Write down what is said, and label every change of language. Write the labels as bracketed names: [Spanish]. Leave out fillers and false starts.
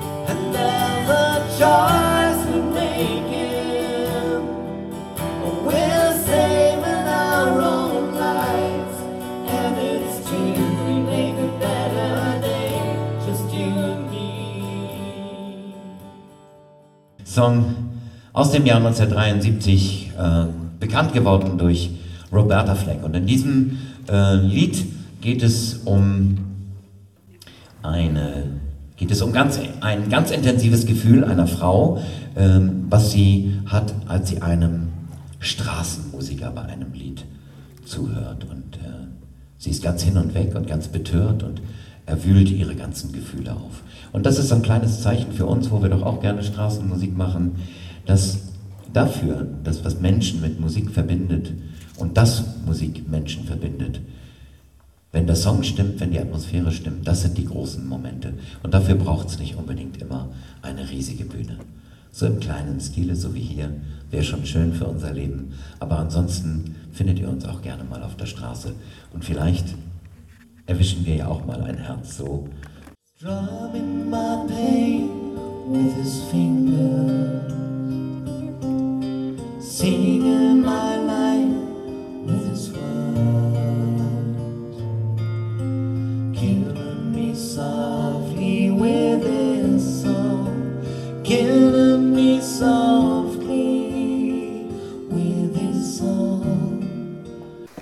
[English] And then the choice we make is, we're saving our own lives, and it's true, we make a better day, just you and me. [German] Song aus dem Jahr 1973, bekannt geworden durch Roberta Fleck. Und in diesem Lied geht es um ein ganz intensives Gefühl einer Frau, was sie hat, als sie einem Straßenmusiker bei einem Lied zuhört. Und sie ist ganz hin und weg und ganz betört und erwühlt ihre ganzen Gefühle auf. Und das ist ein kleines Zeichen für uns, wo wir doch auch gerne Straßenmusik machen, dass dafür, das, was Menschen mit Musik verbindet und das Musik Menschen verbindet, wenn der Song stimmt, wenn die Atmosphäre stimmt, das sind die großen Momente. Und dafür braucht es nicht unbedingt immer eine riesige Bühne. So im kleinen Stile, so wie hier, wäre schon schön für unser Leben. Aber ansonsten findet ihr uns auch gerne mal auf der Straße. Und vielleicht erwischen wir ja auch mal ein Herz so. [English] Driving my pain with his finger. Singing my life with his words, killing me softly with his song, killing me softly with his song.